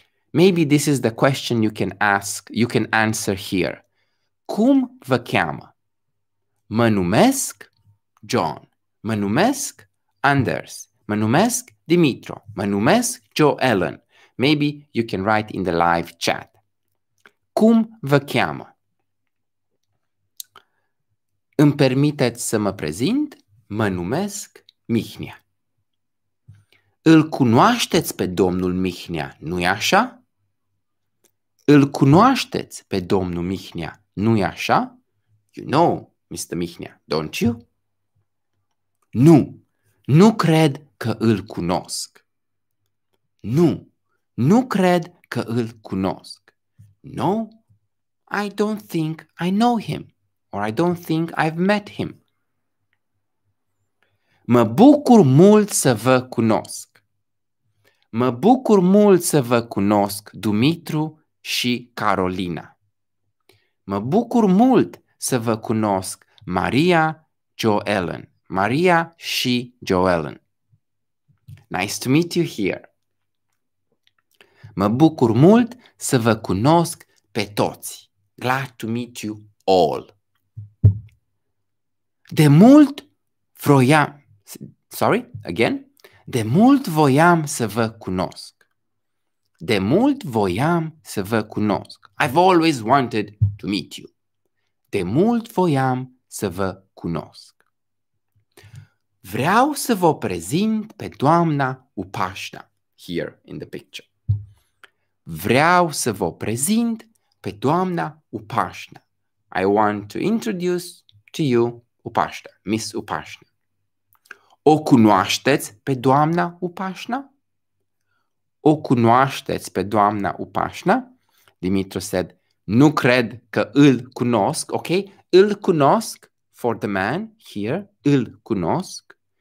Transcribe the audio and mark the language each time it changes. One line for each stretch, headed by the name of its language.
English: Maybe this is the question you can answer here.
Romanian: Cum vă cheamă? Mă numesc John. Mă numesc Anders. Mă numesc Dimitro. Mă numesc Joe Allen.
English: Maybe you can write in the live chat.
Romanian: Cum vă cheamă? Îmi permiteți să mă prezint? Mă numesc Mihnea. Îl cunoașteți pe domnul Mihnea, nu-i așa? Îl cunoașteți pe domnul Mihnea, nu-i așa?
English: You know, Mr. Mihnea, don't you?
Romanian: Nu, nu cred că îl cunosc. Nu, nu cred că îl cunosc.
English: No, I don't think I know him, or I don't think I've met him.
Romanian: Mă bucur mult să vă cunosc. Mă bucur mult să vă cunosc, Dumitru și Carolina. Mă bucur mult să vă cunosc, Maria, Joellen.
English: Maria și Joellen. Nice to meet you here.
Romanian: Mă bucur mult să vă cunosc pe toți.
English: Glad to meet you all.
Romanian: De mult vroiam,
English: sorry, again.
Romanian: De mult voiam să vă cunosc. De mult voiam să vă cunosc.
English: I've always wanted to meet you.
Romanian: De mult voiam să vă cunosc. Vreau să vă prezint pe doamna Upașna,
English: here in the picture.
Romanian: Vreau să vă prezint pe doamna Upașna.
English: I want to introduce to you Upașna, Miss Upașna.
Romanian: O cunoașteți pe doamna Upașna? O cunoașteți pe doamna Upașna?
English: Dimitru said,
Romanian: nu cred că îl cunosc, ok? Îl cunosc
English: for the man here,
Romanian: îl cunosc.